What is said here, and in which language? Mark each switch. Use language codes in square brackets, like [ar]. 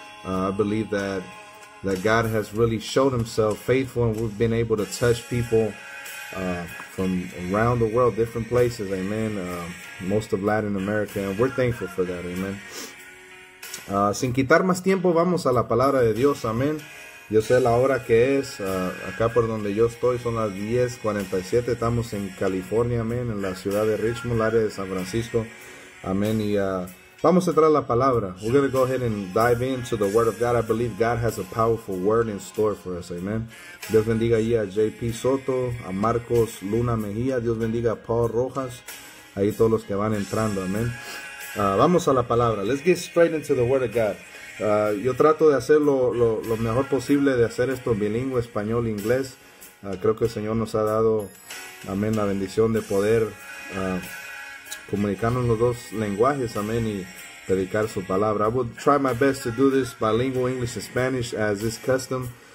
[en] I believe that God has really showed himself faithful and we've been able to touch people from around the world, different places, amen. Most of Latin America, and we're thankful for that, amen. [es] Sin quitar más tiempo, vamos a la palabra de Dios, amén. Yo sé la hora que es, acá por donde yo estoy son las 10:47, estamos en California, amén, en la ciudad de Richmond, área de San Francisco, amén. Y vamos a traer la palabra. [en] We're going to go ahead and dive into the word of God. I believe God has a powerful word in store for us, amen. [es] Dios bendiga ahí a JP Soto, a Marcos Luna Mejía, Dios bendiga a Paul Rojas, ahí todos los que van entrando, amén. Vamos a la palabra. [en] Let's get straight into the word of God. [es] Yo trato de hacer lo mejor posible de hacer esto bilingüe, español, inglés. Creo que el Señor nos ha dado, amén, la bendición de poder comunicarnos los dos lenguajes, amén, y predicar su palabra. [en] I will try my best to do this bilingual, English and Spanish, as is custom.